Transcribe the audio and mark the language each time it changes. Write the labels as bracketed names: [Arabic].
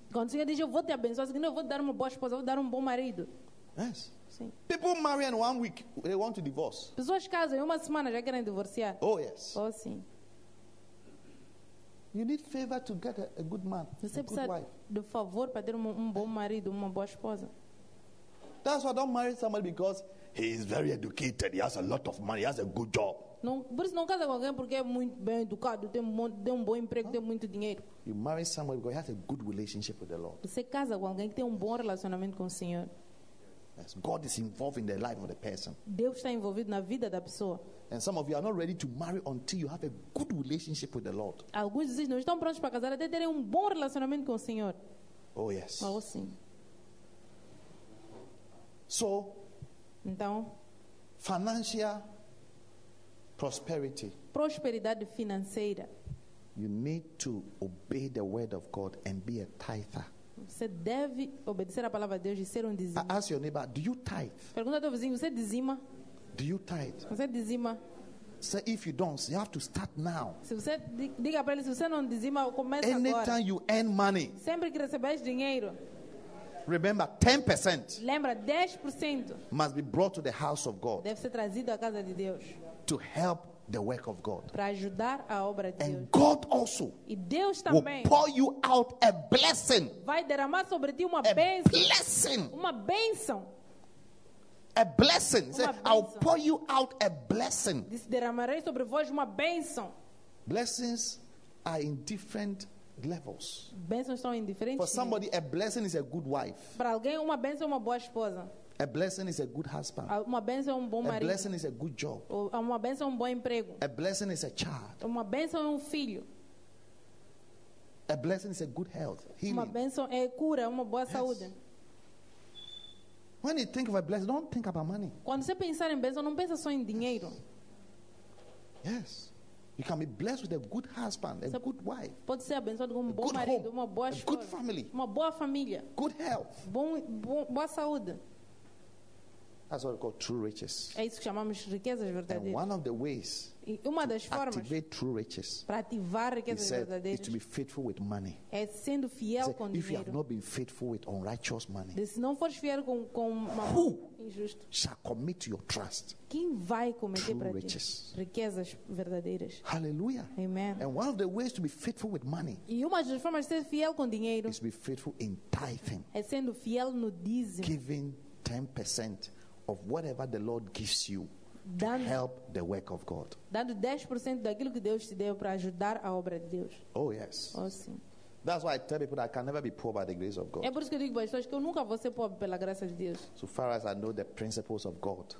[Portuguese] Quando o Senhor diz, eu vou te abençoar, eu vou te dar uma boa esposa, eu vou te dar bom marido. [English] Yes. [Portuguese] Sim. [English] People marry in 1 week, they want to divorce. [Portuguese] Pessoas casam em uma semana já querem divorciar. [English] Oh yes. [Portuguese] Oh sim. [English] You need favor to get a good man. [Portuguese] Você a precisa [English] good wife. [Portuguese] De favor para ter bom marido, uma boa esposa. [English] That's why I don't marry somebody because he is very educated, he has a lot of money, he has a good job. [Portuguese] Não, por isso não casa com alguém porque é muito bem educado, tem bom emprego, tem muito dinheiro. [English] You marry somebody because he has a good relationship with the Lord. [Portuguese] Você casa com alguém que tem bom relacionamento com o Senhor. [English] Yes, God is involved in the life of the person. [Portuguese] Deus está envolvido na vida da pessoa. [English] And some of you are not ready to marry until you have a good relationship with the Lord. [Portuguese] Alguns dizem, não estão prontos para casar até terem bom relacionamento com o Senhor. [English] Oh yes. [Portuguese] Oh sim. [English] So, [Portuguese] então, [English] financial prosperity. [Portuguese] Prosperidade financeira. [English] You need to obey the word of God and be a tither. [Portuguese] Você deve obedecer a palavra de Deus e ser dizima. [English] Ask your neighbor, do you tithe? [Portuguese] Pergunta ao teu vizinho, você dizima? [English] Do you tithe? [Portuguese] Você dizima? [English] So if you don't, you have to start now. [Portuguese] Se você diga para ele, se você não dizima, começa [English] agora. Anytime you earn money. [Portuguese] Sempre que recebes dinheiro. [English] Remember, 10%. [Portuguese] Lembra, 10%. [English] Must be brought to the house of God. [Portuguese] Deve ser trazido à casa de Deus. [English] To help the work of God. [Portuguese] Para ajudar a obra de Deus. [English] And God also. [Portuguese] E Deus também. [English] Will pour you out a blessing. [Portuguese] Vai derramar sobre ti uma bênção. [English] A blessing. [Portuguese] Uma bênção. [English] A blessing. [Portuguese] Uma bênção. [English] I'll pour you out a blessing. [Portuguese] Diz, derramarei sobre vós uma bênção. [English] Blessings are in different levels. [Portuguese] Bênçãos estão em diferentes. [English] For somebody, a blessing is a good wife. [Portuguese] Para alguém, uma bênção é uma boa esposa. [English] A blessing is a good husband. [Portuguese] Uma bênção é bom marido. [English] A blessing is a good job. [Portuguese] Uma bênção é bom emprego. [English] A blessing is a child. [Portuguese] Uma bênção é filho. [English] A blessing is a good health. Healing. [Portuguese] Uma bênção é cura, uma boa saúde. [English] When you think of a blessing, don't think about money. [Portuguese] Quando você pensar em bênção, não pensa só em dinheiro. [English] Yes. You can be blessed with a good husband, a good wife. [Portuguese] Pode ser abençoado com bom marido, uma boa esposa. [English] A good family. [Portuguese] Uma boa família. [English] Good health. [Portuguese] Boa saúde. [English] That's what we call true riches. [Portuguese] É isso que chamamos riquezas verdadeiras. [English] And one of the ways [Portuguese] uma das formas [English] to activate true riches, [Portuguese] para ativar riquezas verdadeiras, [English] is to be faithful with money. [Portuguese] É sendo fiel com dinheiro. [English] If you have not been faithful with unrighteous money, [Portuguese] se não fores fiel com [English] who injusto, shall commit your trust? [Portuguese] Quem vai cometer [English] true riches? [Portuguese] Riquezas verdadeiras. [English] Hallelujah. [Portuguese] Amen. [English] And one of the ways to be faithful with money, [Portuguese] e uma das formas de ser fiel com dinheiro, [English] is to be faithful in tithing. [Portuguese] É sendo fiel no dízimo. [English] Giving 10%. Of whatever the Lord gives you to help the work of God. [Portuguese] Dando 10% daquilo que Deus te deu para ajudar a obra de Deus. [English] Oh yes. [Portuguese] Oh sim. [English] That's why I tell people that I can never be poor by the grace of God. [Portuguese] É por isso que eu digo para as pessoas que eu nunca vou ser pobre pela graça de Deus. [English] So far as I know the principles of God.